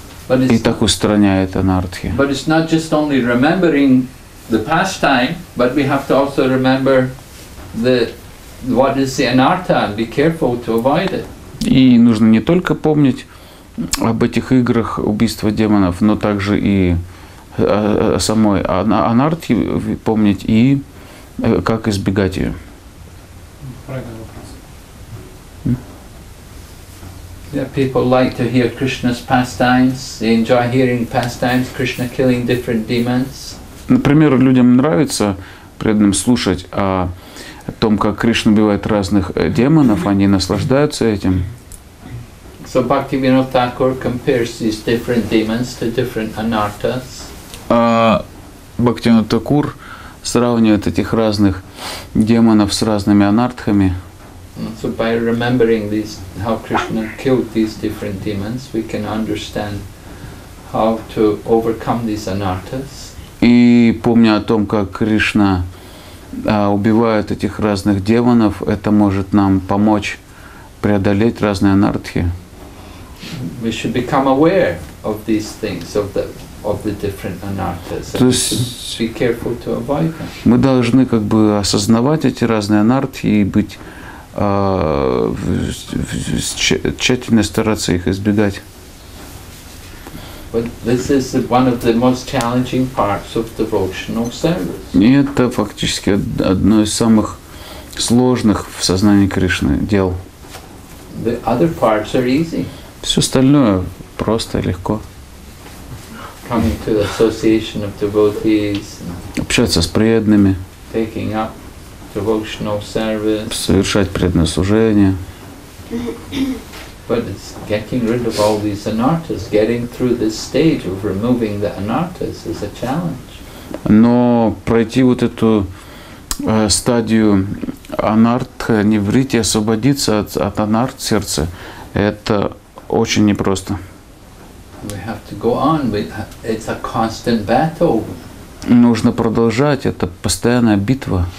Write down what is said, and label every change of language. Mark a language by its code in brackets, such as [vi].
[ru] И так устраняет анартхи. [en] But it's not just only remembering the pastime, but we have to also remember what is the anartha and be careful to avoid it. [ru] И нужно не только помнить об этих играх убийства демонов, но также и о самой анартхи помнить и как избегать ее. Правильный вопрос. [en] Yeah, people like to hear Krishna's pastimes. They enjoy hearing pastimes, Krishna killing different demons. [ru] Например, людям нравится преданным слушать о том, как Кришна убивает разных демонов, они наслаждаются этим. [en] So Bhaktivinoda Thakur compares these different demons to different anarthas. [ru] Бхактивинода Такур сравнивает этих разных демонов с разными анартхами. [en] So by remembering these, how Krishna killed these different demons, we can understand how to overcome these anarthas. [ru] И помня о том, как Кришна убивает этих разных демонов, это может нам помочь преодолеть разные анартхи. [en] We should become aware of these things, of the different anarthas. [ru] То есть [en] be careful to avoid them. [ru] Мы должны как бы осознавать эти разные анартхи и быть тщательно стараться их избегать. И это фактически одно из самых сложных в сознании Кришны дел. [en] The other parts are easy. [ru] Все остальное просто, легко. [en] Coming to the association of devotees, [ru] общаться с преданными. [en] Taking up devotional service, [ru] совершать преданное служение. [en] But it's getting rid of all these anarthas, getting through this stage of removing the anarthas is a challenge. [ru] Но пройти вот эту стадию анартха, невритти, освободиться от анарт сердца, это очень непросто. [en] We have to go on. It's a constant battle. [ru] Нужно продолжать, это постоянная битва.